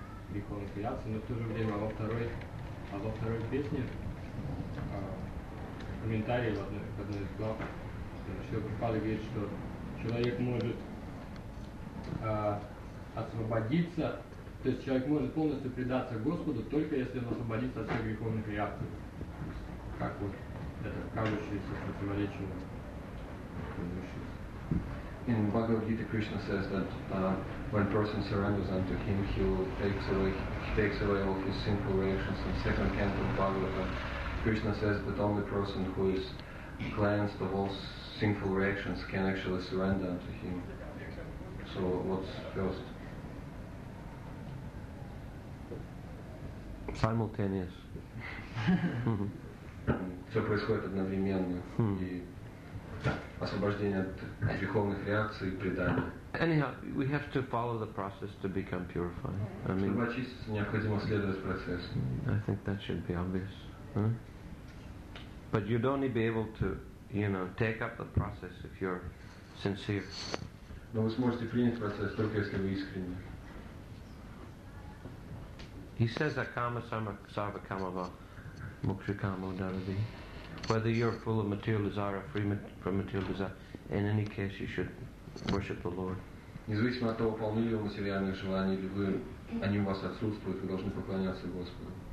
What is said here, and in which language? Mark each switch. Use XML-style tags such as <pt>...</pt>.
<ru>Духовной креации, но в то же время во второй песне комментарии в одной из глав Шрила Прабхупада говорит, что человек может освободиться, то есть человек может полностью предаться Господу, только если он освободится от всех греховных реакций. Как вот это кажущееся противоречие разрешится.</ru> <en>In Bhagavad Gita, Krishna says that when a person surrenders unto him, he takes away all his sinful reactions. In second canto of Bhagavad, Krishna says that only a person who is cleansed of all sinful reactions can actually surrender unto him. So what's first? Simultaneous.</en> <ru>Все происходит одновременно. Освобождение от греховных реакций и предания.</ru> <en>Anyhow, we have to follow the process to become purified. I mean,</en> <ru>чтобы очиститься, необходимо следовать процессу.</ru> <en>I think that should be obvious. Huh? But you'd only be able to, you know, take up the process if you're sincere.</en> <ru>Но вы сможете принять процесс только если вы искренне.</ru> <en>He says that kama sama sarva kamava moksha kamo daravi. Whether you're full of material desire or free from material desire, in any case, you should worship the Lord.</en> <ru>Независимо от того, полны ли вы материальные желания или вы, они у вас отсутствуют, вы должны поклоняться Господу.</ru>